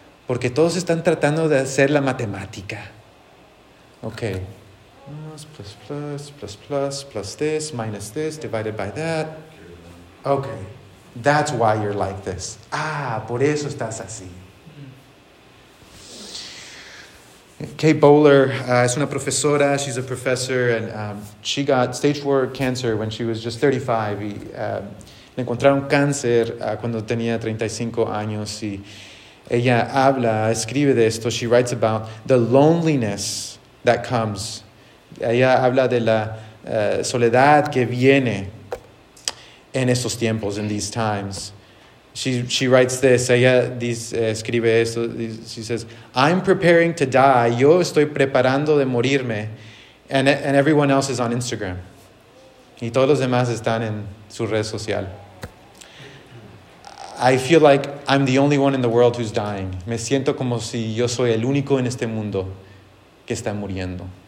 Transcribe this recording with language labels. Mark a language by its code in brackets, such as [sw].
[es] Porque todos están tratando de hacer la matemática. [en] Okay. Plus, plus, plus, plus, plus, plus this, minus this, divided by that. Okay, that's why you're like this. [es] Ah, por eso estás así. [en] Kay Bowler [es] es una profesora. [en] She's a professor, and she got stage 4 cancer when she was just 35. [es] Le encontraron cáncer cuando tenía 35 años. Y ella habla, escribe de esto. [en] She writes about the loneliness that comes. [es] Ella habla de la soledad que viene en estos tiempos, [en] in these times. She writes this. [es] Ella escribe esto. [en] She says, I'm preparing to die. [es] Yo estoy preparando de morirme. [en] And everyone else is on Instagram. [es] Y todos los demás están en su red social. [en] I feel like I'm the only one in the world who's dying. [es] Me siento como si yo soy el único en este mundo que está muriendo.